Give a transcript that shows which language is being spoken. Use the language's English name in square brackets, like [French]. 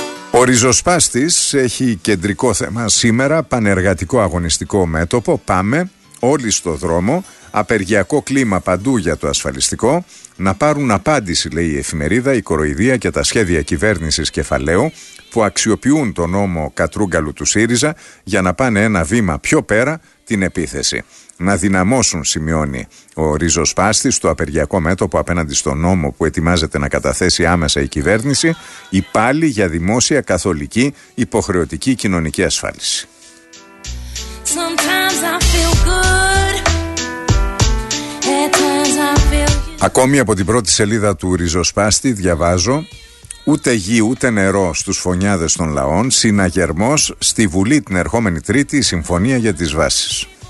[Greek] Ο ριζοσπάστης έχει κεντρικό θέμα σήμερα, πανεργατικό αγωνιστικό μέτωπο, πάμε όλοι στο δρόμο, απεργιακό κλίμα παντού για το ασφαλιστικό, να πάρουν απάντηση λέει η εφημερίδα, η κοροϊδία και τα σχέδια κυβέρνησης κεφαλαίου που αξιοποιούν τον νόμο Κατρούγκαλου του ΣΥΡΙΖΑ για να πάνε ένα βήμα πιο πέρα την επίθεση. Να δυναμώσουν, σημειώνει ο ριζοσπάστης, στο απεργιακό μέτωπο απέναντι στον νόμο που ετοιμάζεται να καταθέσει άμεσα η κυβέρνηση, υπάλληλοι για δημόσια καθολική υποχρεωτική κοινωνική ασφάλιση. [English] Sometimes I feel good. At times I feel... [Greek] Ακόμη από την πρώτη σελίδα του Ριζοσπάστη διαβάζω: ούτε γη ούτε νερό στους φωνιάδες των λαών, συναγερμός στη Βουλή την ερχόμενη Τρίτη, η συμφωνία για τις βάσεις.